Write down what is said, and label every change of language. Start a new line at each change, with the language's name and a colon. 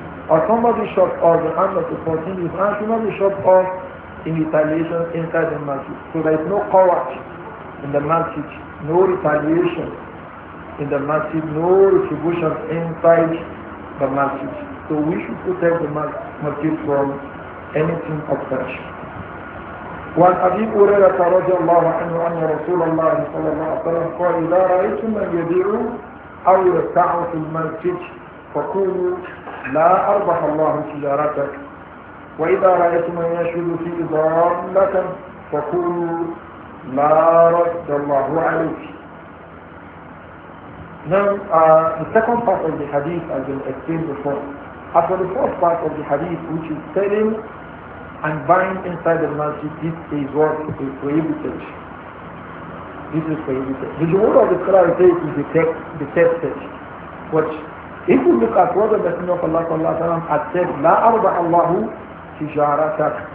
English: Or somebody shot off the hand of the person, his hand should not be shot off in retaliation inside the masjid. So there is no coward in the masjid, no retaliation in the masjid, no retribution inside the masjid. So we should protect the masjid from anything of such.
Arabic: وعن أبي هريرة رضي الله عنه أن رسول الله صلى الله عليه وسلم قال: إذا رأيتم من يبيع أو يتاع في المسجد فقولوا لا أربح الله تجارتك، وإذا رأيتم من يشهد في ضالة فقولوا لا رد الله عليك.
English: Now, the second part of the hadith has been explained before. After the first part of the hadith, which is selling and buying inside the masjid, this is what is prohibited. This is prohibited. The word of the Quran says it is detested. But if you look at what the Messenger of Allah sallallahu alaihi wasallam had said,
Arabic: لا أربح الله تجارتك.